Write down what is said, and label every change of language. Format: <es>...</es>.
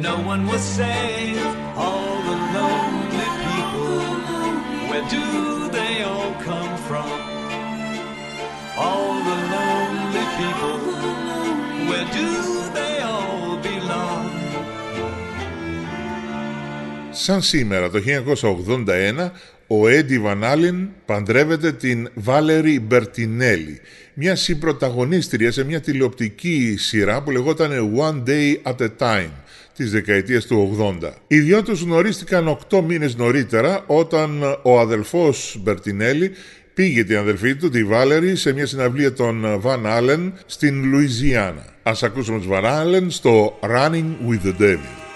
<en>No one was saved, all the lonely people. Where do they all come from? All the lonely people. Where do they all belong?</en> <el>Σαν σήμερα, το 1981, ο Eddie Van Allen παντρεύεται την Valerie Bertinelli, μια συμπροταγωνίστρια σε μια τηλεοπτική σειρά που λεγόταν One Day at a Time της δεκαετίας του 80. Οι δυο τους γνωρίστηκαν 8 μήνες νωρίτερα όταν ο αδελφός Bertinelli πήγε την αδελφή του, τη Valerie, σε μια συναυλία των Van Allen στην Λουιζιάννα. Ας ακούσουμε τους Van Allen στο Running with the Devil.</el>